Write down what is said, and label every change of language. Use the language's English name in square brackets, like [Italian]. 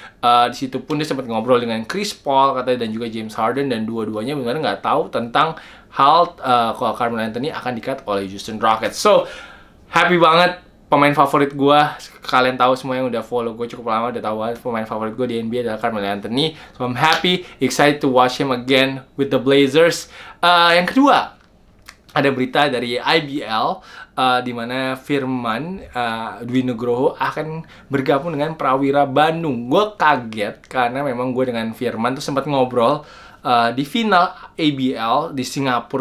[Indonesian] Di situ pun dia sempat ngobrol dengan Chris Paul katanya, dan juga James Harden, dan dua-duanya benar-benar nggak tahu tentang hal kalau Carmelo Anthony akan di-cut oleh Houston Rockets. [English] So, happy [Indonesian] banget pemain favorit gue. Kalian tahu semua yang udah follow gue cukup lama udah tahu pemain favorit gue di NBA adalah Carmelo Anthony. [English] So, I'm happy, excited to watch him again with the Blazers. [Indonesian] Yang kedua, ada berita dari IBL di mana Firman Dwi Nugroho akan bergabung dengan Prawira Bandung. Gue kaget karena memang gue dengan Firman tuh sempat ngobrol di final ABL di Singapura.